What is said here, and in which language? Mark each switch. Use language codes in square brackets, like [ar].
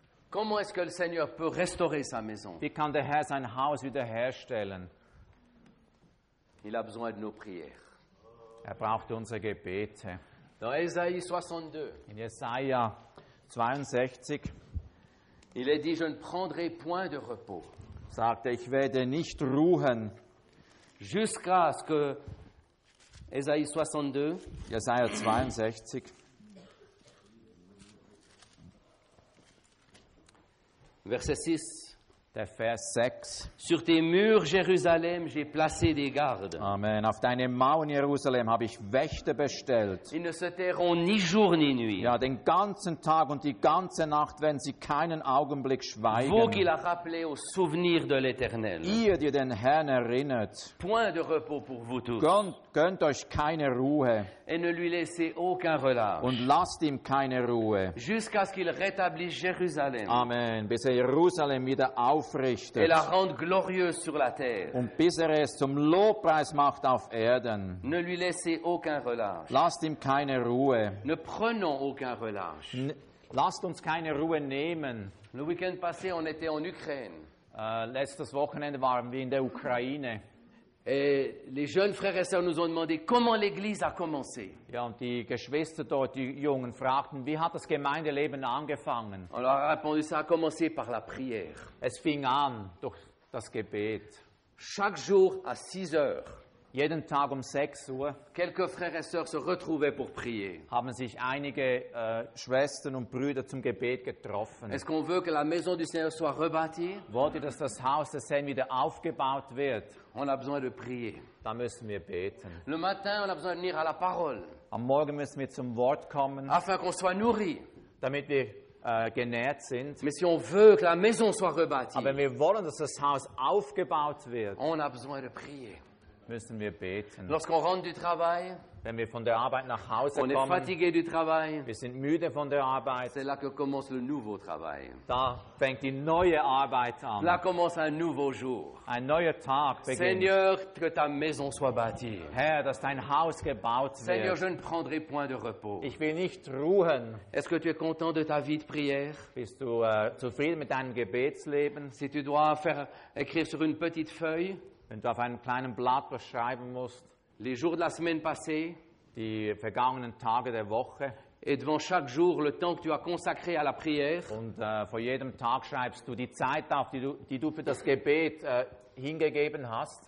[fr] Comment est-ce que le Seigneur peut restaurer sa maison? [de] Wie kann der Herr sein Haus wiederherstellen? [fr] Il a besoin de nos prières. [de] Er braucht unsere Gebete. [fr] Dans Esaïe 62. [de] In Jesaja 62. [fr] Il est dit, je ne prendrai point de repos. [de] Sagte, ich werde nicht ruhen. [fr] Jusqu'à ce que Esaïe 62. [de] Jesaja 62. [fr] Verset 6. [de] Der Vers 6. [fr] Sur tes murs, Jérusalem, j'ai placé des gardes. [de] Amen. Auf deinen Mauern, Jerusalem, habe ich Wächter bestellt. [fr] Ils ne se tairont ni jour ni nuit. [de] Ja, den ganzen Tag und die ganze Nacht werden sie keinen Augenblick schweigen. [fr] Vous qui la rappelez au souvenir de l'Éternel. [de] Ihr, die den Herrn erinnert. [fr] Point de repos pour vous tous. [de] Gönnt euch keine Ruhe. [fr] Et ne lui laissez aucun relâche. [de] Und lasst ihm keine Ruhe. [fr] Jusqu'à ce qu'il rétablisse Jérusalem. [de] Amen. Bis er Jerusalem wieder aufrichtet. [fr] Et la rende glorieuse sur la terre. [de] Und bis er es zum Lobpreis macht auf Erden. [fr] Ne lui laissez aucun relâche. [de] Lasst ihm keine Ruhe. [fr] Ne prenons aucun relâche. [de] Lasst uns keine Ruhe nehmen. [fr] Le week-end passé, on était en Ukraine. [de] Letztes Wochenende waren wir in der Ukraine. [fr] Et les jeunes frères et sœurs nous ont demandé comment l'Église a commencé. [de] Ja, und die Geschwister dort, die Jungen, fragten, wie hat das Gemeindeleben angefangen? [fr] On leur a répondu, ça a commencé par la prière. [de] Es fing an durch das Gebet. [fr] Chaque jour à 6 heures. [de] Jeden Tag um 6 Uhr. [fr] Quelques frères et sœurs se retrouvaient pour prier. [de] Haben sich einige Schwestern und Brüder zum Gebet getroffen. [fr] Est-ce qu'on veut que la maison du Seigneur soit rebâtie? [de] Wollt ihr, dass das Haus des Herrn wieder aufgebaut wird? [fr] On a besoin de prier. [de] Da müssen wir beten. [fr] Le matin, on a besoin de venir à la parole. [de] Am Morgen müssen wir zum Wort kommen. [fr] Afin qu'on soit nourri. [de] Damit wir genährt sind. [fr] Mais si on veut que la maison soit rebâtie. [de] Aber wir wollen, dass das Haus aufgebaut wird. [fr] On a besoin de prier. [de] Müssen wir beten. [fr] Lorsqu'on rentre du travail, [de] wenn wir von der Arbeit nach Hause [fr] on [de] kommen, [fr] est fatigué du travail, [de] wir sind müde von der Arbeit, [fr] c'est là que commence le nouveau travail. [de] Da fängt die neue Arbeit an. [fr] Là commence un nouveau jour. [de] Ein neuer Tag beginnt. [fr] Seigneur, que ta maison soit bâtie. [de] Herr, dass dein Haus gebaut wird. [fr] Seigneur, je ne prendrai point de repos. [de] Ich will nicht ruhen. [fr] Est-ce que tu es content de ta vie de prière? [de] Bist du zufrieden mit deinem Gebetsleben? [fr] Si tu dois faire écrire sur une petite feuille, [de] wenn du auf einem kleinen Blatt was schreiben musst, [fr] les jours de la semaine passée, [de] die vergangenen Tage der Woche, [fr] et devant chaque jour le temps que tu as consacré à la prière, [de] und vor jedem Tag schreibst du die Zeit auf, die du für das Gebet hingegeben hast.